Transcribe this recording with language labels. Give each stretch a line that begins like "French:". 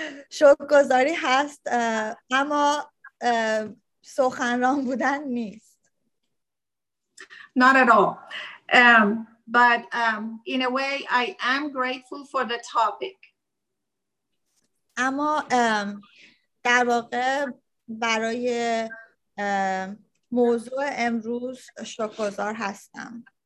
Persian: شکرگزاری هست اما سخنران بودن نیست.
English: Not at all. In a way I am grateful for the topic.
Persian: اما در واقع برای موضوع امروز شکرگزار هستم.